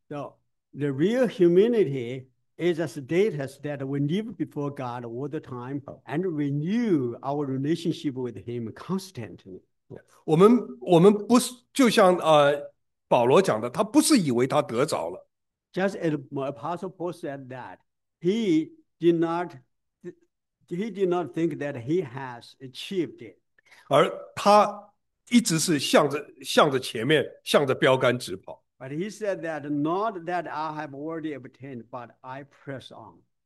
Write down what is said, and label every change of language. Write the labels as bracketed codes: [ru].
[en] So the real humility is a status that we live before God all the time and renew our relationship with Him constantly. [zh] 我们不是就像保罗讲的，他不是以为他得着了。 [en] Just as Apostle Paul said that, he did not He did not think that he has achieved it. [zh] 而他一直是向着前面，向着标杆直跑。 [en] But he said that not that I have already obtained, but I press on.